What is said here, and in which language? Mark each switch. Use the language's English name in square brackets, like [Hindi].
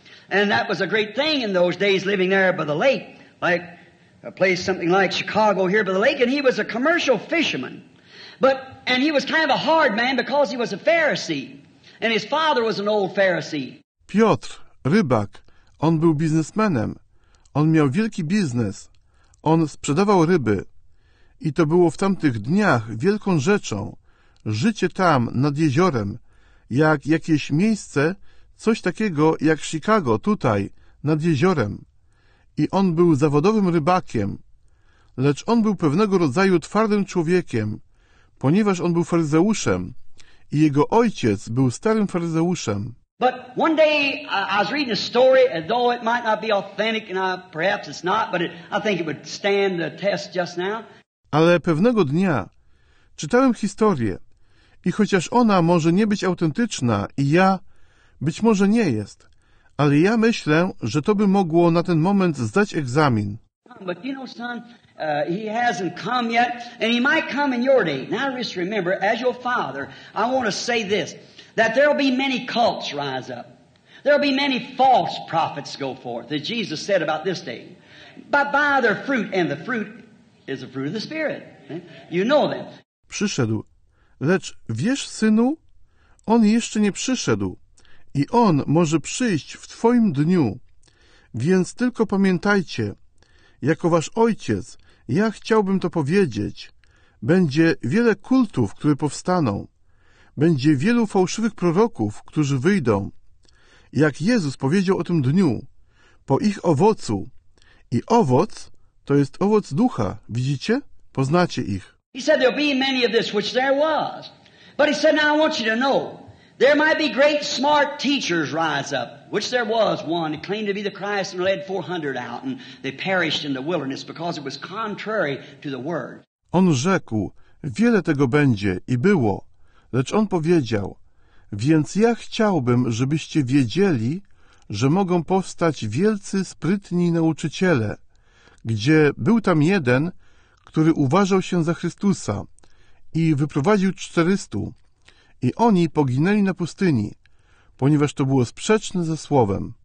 [English] And that was a great thing in those days living there by the lake, like a place something like Chicago here by the lake. And he was a commercial fisherman. And he was kind of a hard man because he was a Pharisee. And his father was an old Pharisee. [Polish] Piotr, rybak, on był biznesmenem. On miał wielki biznes. On sprzedawał ryby. I to było w tamtych dniach wielką rzeczą. Życie tam, nad jeziorem, jak jakieś miejsce, coś takiego jak Chicago tutaj, nad jeziorem. I on był zawodowym rybakiem. Lecz on był pewnego rodzaju twardym człowiekiem, ponieważ on był faryzeuszem i jego ojciec był starym faryzeuszem. [English] But one day I was reading a story, though it might not be authentic, and perhaps it's not, but I think it would stand the test just now. [Polish] Ale pewnego dnia czytałem historię i chociaż ona może nie być autentyczna i ja, być może nie jest, ale ja myślę, że to by mogło na ten moment zdać egzamin. [English] But you know, son, he hasn't come yet, and he might come in your day. Now just remember, as your father, I want to say this, that there'll be many cults rise up. There'll be many false prophets go forth, as Jesus said about this day. But by their fruit, and the fruit is the fruit of the Spirit. You know them. [Polish] Przyszedł. Lecz wiesz, synu, on jeszcze nie przyszedł i on może przyjść w twoim dniu. Więc tylko pamiętajcie, jako wasz ojciec, ja chciałbym to powiedzieć, będzie wiele kultów, które powstaną. Będzie wielu fałszywych proroków, którzy wyjdą. Jak Jezus powiedział o tym dniu, po ich owocu. I owoc to jest owoc ducha, widzicie? Poznacie ich. [English] He said there'll be many of this which there was. But he said, now I want you to know, there might be great smart teachers rise up, which there was one who claimed to be the Christ and led 400 out, and they perished in the wilderness because it was contrary to the word. [Polish] On rzekł, wiele tego będzie i było, lecz on powiedział, więc ja chciałbym, żebyście wiedzieli, że mogą powstać wielcy, sprytni nauczyciele, gdzie był tam jeden, który uważał się za Chrystusa i wyprowadził 400 i oni poginęli na pustyni, ponieważ to było sprzeczne ze Słowem.